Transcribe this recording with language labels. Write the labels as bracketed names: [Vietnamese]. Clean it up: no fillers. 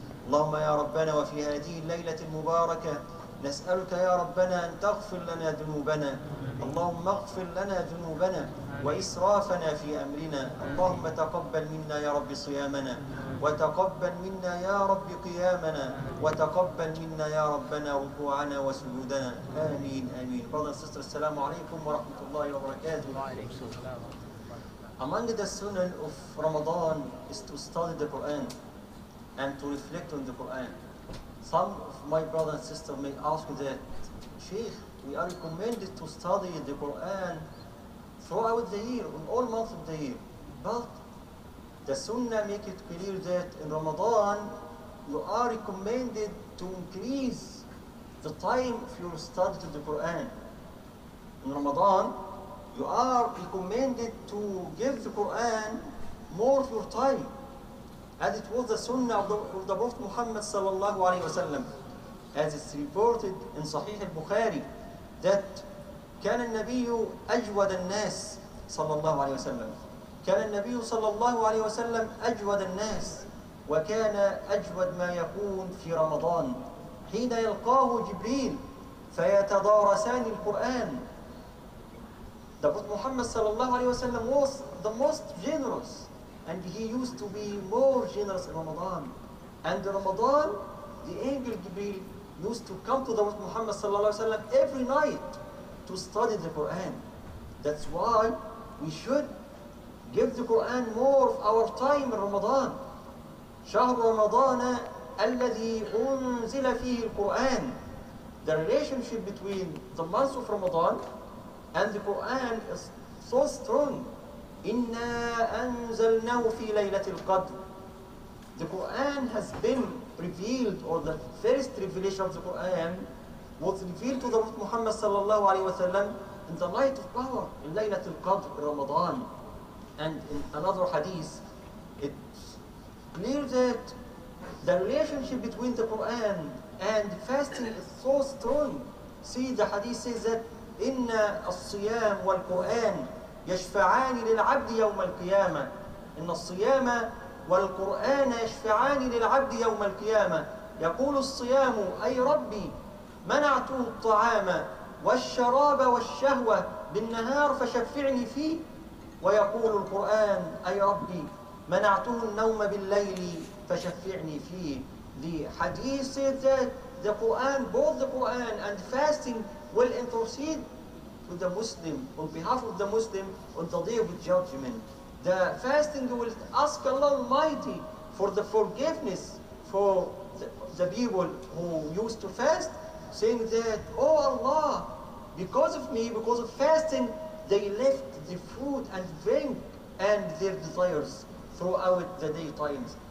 [Arabic] اللهم يا ربنا وفي هذه الليلة المباركة نسألك يا ربنا أن تغفر لنا ذنوبنا، اللهم اغفر لنا ذنوبنا وإسرافنا في أمرنا، اللهم تقبل منا يا رب صيامنا، وتقبل منا يا رب قيامنا، وتقبل منا يا ربنا ركوعنا وسجودنا. آمين آمين. [English] Brothers and sisters, [Arabic] السلام عليكم ورحمة الله وبركاته. [English] Among the sunnah of Ramadan is to study the Quran and to reflect on the Quran. Some of my brothers and sisters may ask that, Sheikh, we are recommended to study the Quran throughout the year, in all months of the year. But the Sunnah makes it clear that in Ramadan, you are recommended to increase the time of your study to the Quran. In Ramadan, you are recommended to give the Quran more of your time. As it was the Sunnah of the Prophet Muhammad sallallahu alayhi wa sallam, as it's reported in Sahih al-Bukhari, that [Arabic] كان النبي أجود الناس صلى الله عليه وسلم. كان النبي صلى الله عليه وسلم أجود الناس، وكان أجود ما يكون في رمضان حين يلقاه جبريل فيتدارسان القرآن. [English] The Prophet Muhammad [Arabic] صلى الله عليه وسلم [English] was the most generous, and he used to be more generous in Ramadan. And in Ramadan, the angel Jibril used to come to the Prophet Muhammad [Arabic] صلى الله عليه وسلم [English] every night to study the Quran. That's why we should give the Quran more of our time in Ramadan. [Arabic] شهر رمضان الذي أنزل فيه القرآن. [English] The relationship between the month of Ramadan and the Quran is so strong. [Arabic] إنا أنزلناه في ليلة القدر. [English] The Quran has been revealed, or the first revelation of the Quran was revealed to the Prophet Muhammad sallallahu alayhi wa sallam in the light of power, in Laylatul Qadr, Ramadan. And in another hadith, it's clear that the relationship between the Quran and fasting is so strong. See, the hadith says that [Arabic] إِنَّ الصِّيَامُ وَالْقُرْآنِ يَشْفَعَانِ لِلْعَبْدِ يَوْمَ الْقِيَامَةِ. إِنَّ الصِّيَامَ وَالْقُرْآنَ يَشْفَعَانِ لِلْعَبْدِ يَوْمَ الْقِيَامَةِ. يَقُولُ الصِّيَامُ أَيْ رَبِّي منعته الطعام والشراب والشهوة بالنهار فشفعني فيه، ويقول القرآن أي ربي منعته النوم بالليل فشفعني فيه. [English] The hadith says that the Quran, both the Quran and fasting will intercede to the Muslim, on behalf of the Muslim, on the day of judgment. The fasting will ask Allah Almighty for the forgiveness for the people who used to fast, saying that, oh Allah, because of me, because of fasting, they left the food and drink and their desires throughout the day times.